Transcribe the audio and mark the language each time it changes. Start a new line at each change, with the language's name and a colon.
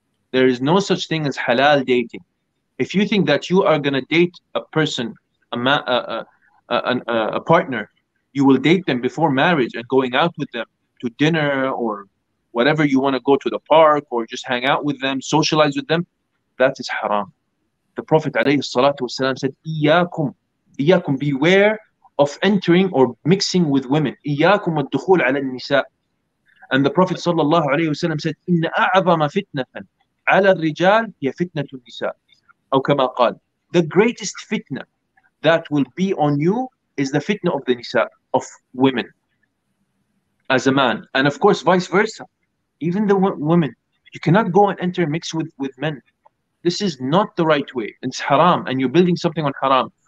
English: There is no such thing as halal dating. If you think that you are going to date a person, a partner, you will date them before marriage and going out with them to dinner or whatever, you want to go to the park or just hang out with them, socialize with them, that is haram. The Prophet عليه الصلاة والسلام said,
Arabic: إياكم, إياكم,
English: beware of entering or mixing with women.
Arabic: إياكم الدخول على النساء. And the Prophet صلى الله عليه وسلم said, إن أعظم فتنة على الرجال هي فتنة النساء. أو كما قال,
English: the greatest fitna that will be on you is the fitna of the nisa, of women, as a man. And of course, vice versa. Even the women, you cannot go and enter and mix with men. This is not the right way. It's haram, and you're building something on haram.